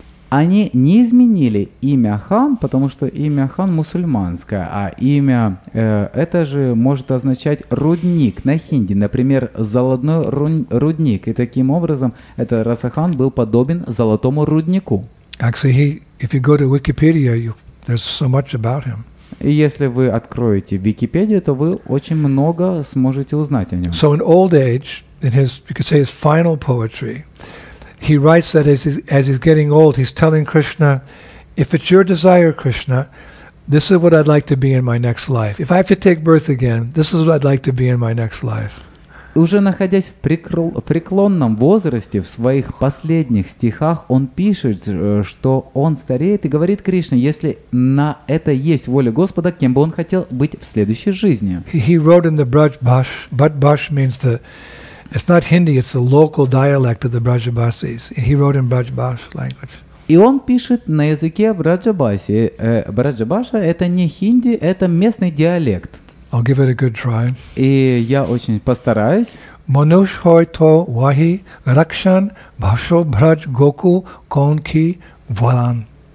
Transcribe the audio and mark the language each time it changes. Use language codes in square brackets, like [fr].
[ru] Они не изменили имя Хан, потому что имя Хан мусульманское, а имя это же может означать рудник на хинди, например, золотой рудник. И таким образом это Раса Хан был подобен золотому руднику. [en] Actually, if you go to Wikipedia, there's so much about him. [ru] И если вы откроете Википедию, то вы очень много сможете узнать о нем. [en] So in old age, in his, you could say his final poetry. He writes that as he's getting old, he's telling Krishna, if it's your desire, Krishna, this is what I'd like to be in my next life. If I have to take birth again, this is what I'd like to be in my next life. [ru] Уже находясь в преклонном возрасте, в своих последних стихах, он пишет, что он стареет и говорит Кришне, если на это есть воля Господа, кем бы он хотел быть в следующей жизни. [en] He wrote in the Braj Bhash, Braj Bhash means the... It's not Hindi, it's the local dialect of the Brajabasis. He wrote in Brajbash language. [ru] И он пишет на языке Брадж-Баси. Брадж-Баша – это не хинди, это местный диалект. [en] I'll give it a good try. [ru] И я очень постараюсь. [bra] Manush hoy to wahi rakshan bhasho braj goku kon ki valan.